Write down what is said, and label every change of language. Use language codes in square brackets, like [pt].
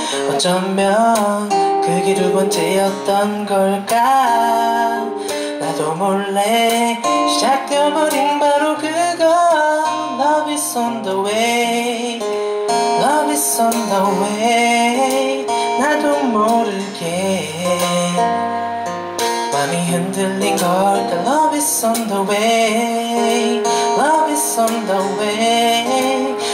[ko] 어쩌면 그게 두 번째였던 걸까. [en] 나도 몰래 시작되어버린 바로 그건 Love is on the way, Love is on the way. [ko] 나도 모르게 마음이 흔들린 걸까. [en] Love is on the way, Love is on the way.